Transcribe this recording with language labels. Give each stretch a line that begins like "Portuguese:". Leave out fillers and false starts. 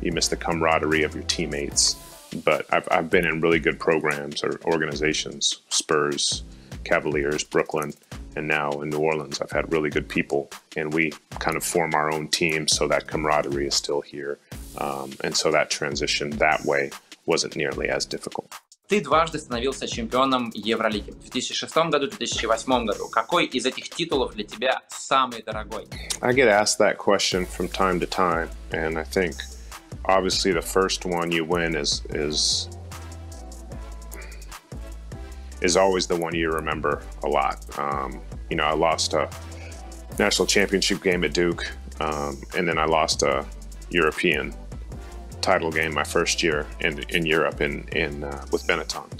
English: You miss the camaraderie of your teammates. But I've been in really good programs or organizations, Spurs, Cavaliers, Brooklyn, and now in New Orleans. I've had really good people, and we kind of form our own team, so that camaraderie is still here. And so that transition that way wasn't nearly as difficult.
Russian: Ты дважды становился чемпионом Евролиги в 2006 году, 2008 году. Какой из этих титулов для тебя самый дорогой?
English: I get asked that question from time to time, and I think obviously the first one you win is always the one you remember a lot. You know, I lost a national championship game at Duke, and then I lost a European title game my first year in Europe in with Benetton.